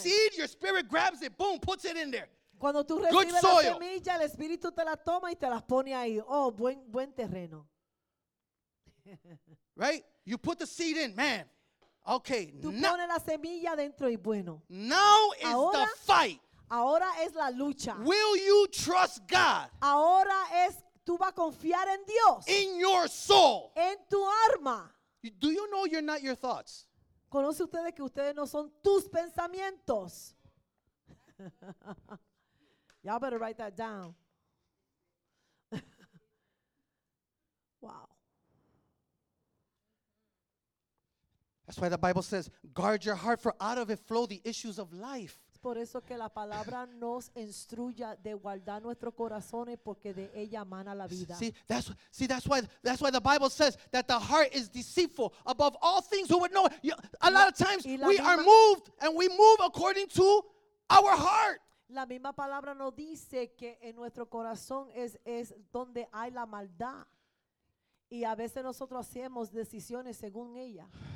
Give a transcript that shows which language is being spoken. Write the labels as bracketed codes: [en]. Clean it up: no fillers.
[en] Seed, your spirit grabs it, boom, puts it in there. [es] Cuando tú recibes [en] Good soil. [es] La semilla, el espíritu te la toma y te la pone ahí. Oh, buen terreno. [en] Right? You put the seed in, man. Okay. [es] Tú pones la semilla dentro y bueno. [en] Now is the fight. [es] Ahora es la lucha. [en] Will you trust God? [es] Ahora es tú vas a confiar en Dios. [en] In your soul. [es] En tu alma. [en] Do you know you're not your thoughts? [es] ¿Conoce ustedes que ustedes no son tus pensamientos? [en] Y'all better write that down. Wow. That's why the Bible says, guard your heart, for out of it flow the issues of life. [es] Por eso que la palabra nos instruya de guardar nuestros corazones porque de ella mana la vida. [en] See, that's why the Bible says that the heart is deceitful above all things. Who would know? A lot of times we are moved and we move according to our heart. [es] La misma palabra nos dice que en nuestro corazón es donde hay la maldad. Y a veces nosotros hacemos decisiones según ella.